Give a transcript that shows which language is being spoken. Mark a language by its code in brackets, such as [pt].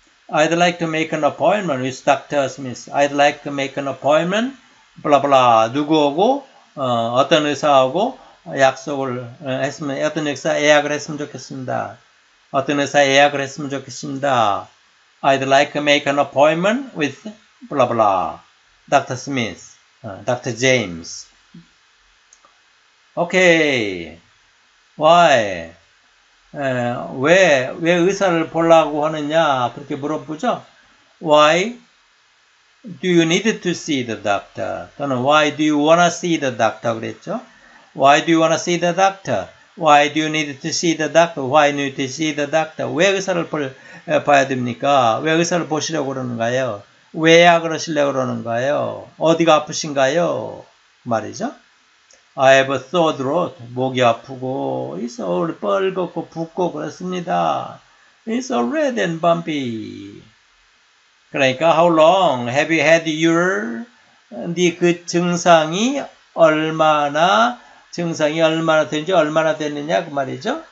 [en] I'd like to make an appointment with Dr. Smith. I'd like to make an appointment. [ko] 블라블라 누구하고 어떤 의사하고 약속을 했으면 어떤 의사 예약을 했으면 좋겠습니다. 어떤 의사 예약을 했으면 좋겠습니다. [en] I'd like to make an appointment with 블라블라 Dr. Smith, Dr. James. Okay. Why? [ko] 왜 의사를 보려고 하느냐 그렇게 물어보죠. [en] Why? Do you need to see the doctor? 또는 why do you want to see the doctor? 그랬죠? Why do you want to see the doctor? Why do you need to see the doctor? Why need to see the doctor? [ko] 왜 의사를 봐야 됩니까? 왜 의사를 보시려고 그러는가요? 왜 약을 하시려고 그러는가요? 어디가 아프신가요? 말이죠. [en] I have a sore throat. [ko] 목이 아프고, [en] it's all [ko] 빨갛고 붓고 그렇습니다. It's all red and bumpy. 그러니까 how long have you had your 네 그 증상이 얼마나 됐느냐 그 말이죠.